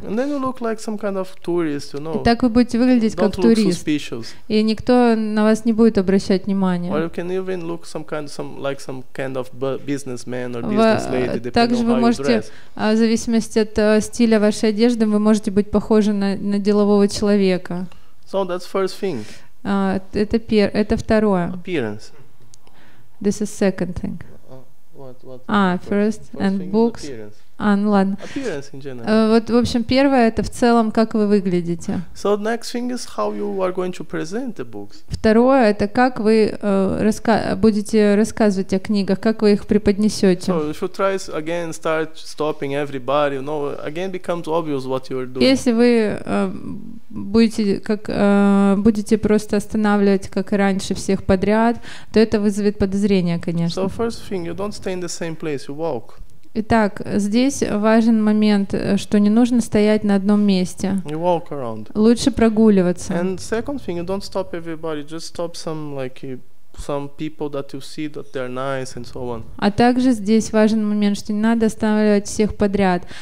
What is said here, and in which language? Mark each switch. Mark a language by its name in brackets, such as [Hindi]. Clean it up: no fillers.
[English] And then you look like some kind of tourist, you know. [Russian] И так вы будете выглядеть [English] Don't [Russian] как турист. [English] Look suspicious. [Russian] И никто на вас не будет обращать внимания. [English] Or you can even look some kind of businessman or business lady, depending on how you [Russian] Также вы можете, в зависимости от стиля вашего одежды, вы можете быть похожи на делового человека. [English] So that's first thing. [Russian] Это второе. [English] Appearance. This is second thing. First and books. [Russian] Ладно. [English] Appearance in general. [Russian] Вот, в общем, первое — это в целом, как вы выглядите. [English] So next thing is how you are going to present the books. [Russian] Второе — это как вы будете рассказывать о книгах, как вы их преподнесете. [English] So if you try again, start stopping everybody, you know, again becomes obvious what you are doing. [Russian] Если вы будете просто останавливать, как и раньше, всех подряд, то это вызовет подозрения, конечно. [English] So first thing, you don't stay in the same place, you walk. [Russian] Итак, здесь важен момент, что не нужно стоять на одном месте. Лучше прогуливаться. [English] And second thing, you don't stop everybody, just stop some people that you see that they're nice and so on. [Russian] А также здесь важен момент, что не надо останавливать всех подряд.